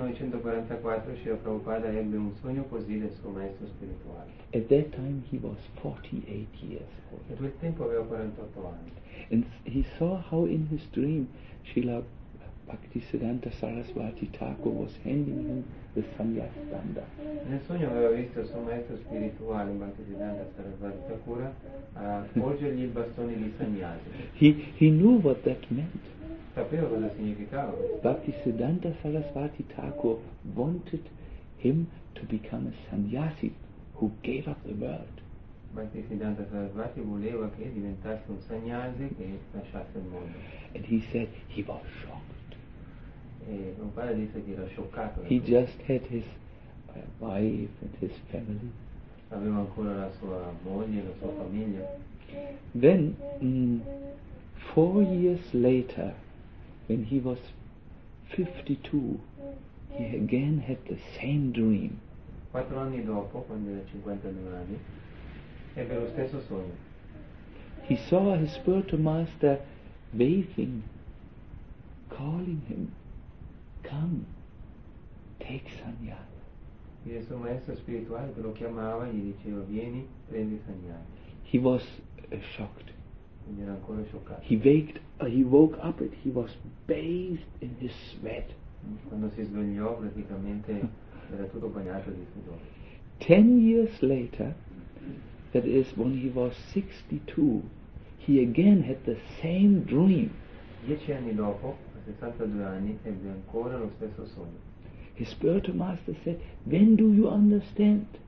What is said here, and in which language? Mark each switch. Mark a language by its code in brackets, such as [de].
[it] 1944 Srila Prabhupada ebbe un sogno così del suo maestro spirituale. [en] At that time he was 48 years old. [it] E quel tempo aveva 48 anni. [en] And he saw how in his dream Srila Bhaktisiddhanta Saraswati Thakur was handing him the Sanyas Danda. [it] Nel sogno aveva visto il suo maestro spirituale Bhaktisiddhanta Saraswati Thakur porgergli il bastone di Sanyasi. [en] He knew what that meant. [it] Sapeva cosa significava. [en] Bhaktisiddhanta Saraswati Thakur wanted him to become a Sanyasi who gave up the world. [it] Bhaktisiddhanta Saraswati voleva che diventasse un Sanyasi che lasciasse il mondo. [en] And he said he was shocked. He just had his wife and his family. [it] Aveva ancora la sua moglie e la sua famiglia. [en] Then, 4 years later, when he was 52, he again had the same dream. [it] 4 anni dopo, quando era 52 anni, ebbe lo stesso sogno. [en] He saw his spiritual master waving, calling him. Come, take sannyasa. [it] Il suo maestro spirituale che lo chiamava gli diceva vieni, prendi sannyasa. [en] He was shocked. [it] Ed era ancora scioccato. [en] He woke up and he was bathed in his sweat. [it] Quando si svegliò praticamente era tutto bagnato di sudore. [en] 10 years later, that is when he was 62, he again had the same dream. [it] 10 anni dopo. 62 anni ebbe ancora lo stesso sogno. [en] His spiritual master said, when do you understand?